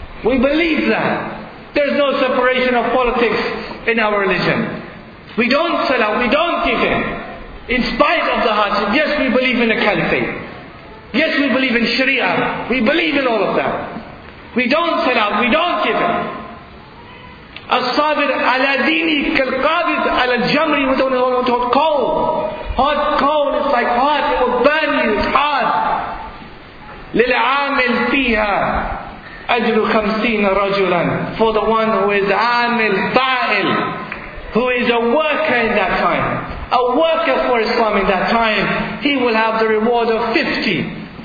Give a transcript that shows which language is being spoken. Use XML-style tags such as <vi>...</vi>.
<en>We believe that. There's no separation of politics in our religion. We don't sell out, we don't give in. In spite of the hardship, yes, we believe in the caliphate. Yes, we believe in Sharia. We believe in all of that. We don't sell out, we don't give in.</en> <ar>الصابر على ديني كالقابض على الجمر,</ar> <en>with only one hot coal. Hot coal is like hot, it will burn you, it's hard.</en> <ar>للعامل فيها أجر خمسين رجلا,</ar> <en>for the one who is</en> <ar>عامل فاعل,</ar> <en>who is a worker in that time, a worker for Islam in that time, he will have the reward of 50.</en>